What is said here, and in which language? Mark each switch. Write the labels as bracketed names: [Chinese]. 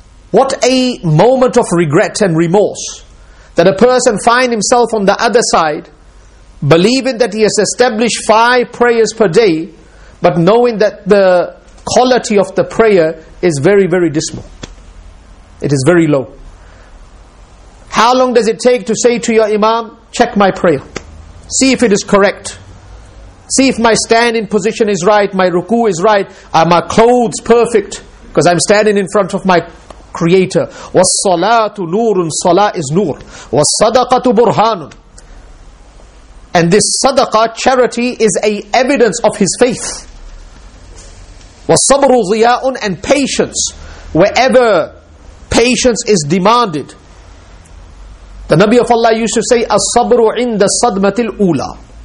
[English] What a moment of regret and remorse that a person find himself on the other side, believing that he has established 5 prayers per day, but knowing that the quality of the prayer is very, very dismal. It is very low. How long does it take to say to your imam, check my prayer, see if it is correct, see if my standing position is right, my ruku is right, are my clothes perfect, because I'm standing in front of my creator. [Arabic] وَالصَّلَاةُ نُورٌ صَلَاةٌ [English] is [Arabic] nur. وَالصَّدَقَةُ بُرْهَانٌ. [English] And this sadaqah, charity, is a evidence of his faith. [Arabic] وَالصَّبْرُ ضِيَاءٌ, [English] and patience, wherever patience is demanded. The Nabi of Allah used to say, [Arabic] As-sabru inda sadmatil ula.